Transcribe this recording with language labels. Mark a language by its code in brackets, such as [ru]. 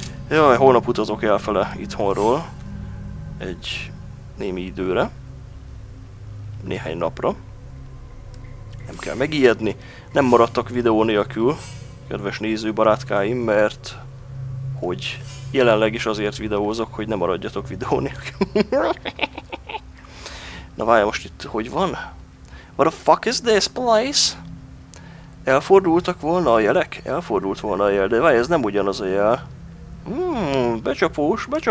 [hu] Jaj, holnap utazok elfele itthonról. Egy némi időre. Néhány napra. Nem kell megijedni. Nem maradtak videó nélkül, kedves nézőbarátkáim, mert... hogy jelenleg is azért videózok, hogy ne maradjatok videó nélkül. Na várj, most itt hogy van? [en] What the fuck is this place? [hu] Elfordultak volna a jelek? Elfordult volna a jel, de várj, ez nem ugyanaz a jel. Becsapós.